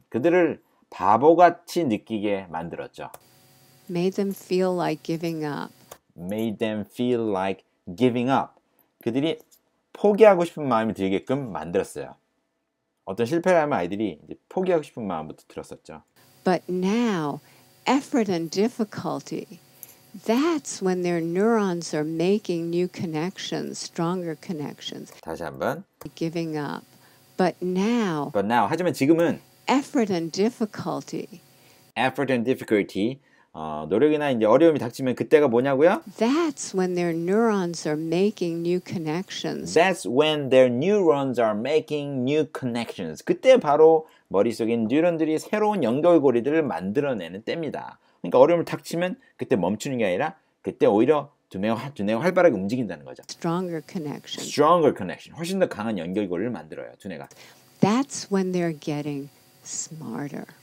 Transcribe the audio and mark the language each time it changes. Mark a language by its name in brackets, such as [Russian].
[Korean] 그들을 바보같이 느끼게 만들었죠. [English] Made them feel like giving up. Made them feel like giving up. [Korean] 그들이 포기하고 싶은 마음이 들게끔 만들었어요. 어떤 실패를 하면 아이들이 이제 포기하고 싶은 마음부터 들었었죠. [English] But now, effort and difficulty. That's when their neurons are making new connections, stronger connections. [Korean] 다시 한번. [English] Giving up. But now, But now, [Korean] 하지만 지금은 [English] effort and difficulty. Effort and difficulty. [Korean] 노력이나 이제 어려움이 닥치면 그때가 뭐냐고요? [English] That's when their neurons are making new connections. That's when their neurons are making new connections. [Korean] 그때 바로 머릿속에 뉴런들이 새로운 연결고리들을 만들어내는 때입니다. 그러니까 어려움을 닥치면 그때 멈추는 게 아니라 그때 오히려 두뇌가 활발하게 움직인다는 거죠. [English] Stronger connections. Stronger connection. [Korean] 훨씬 더 강한 연결고리를 만들어요, 두뇌가. [English] That's when they're getting smarter.